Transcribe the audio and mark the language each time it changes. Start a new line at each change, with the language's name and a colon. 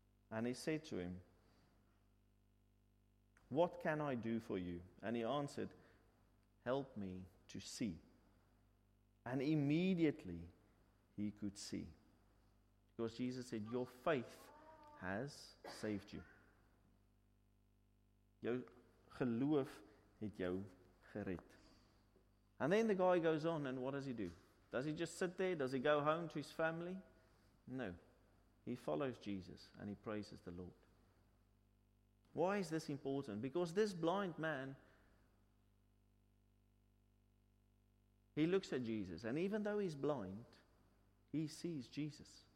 English: And he said to him, "What can I do for you?" And he answered, "Help me to see." And immediately he could see. Because Jesus said, "Your faith has saved you.
Afrikaans: Jou geloof het jou gered."
English: And then the guy goes on, and what does he do? Does he just sit there? Does he go home to his family? No. He follows Jesus and he praises the Lord. Why is this important? Because this blind man, he looks at Jesus, and even though he's blind, he sees Jesus.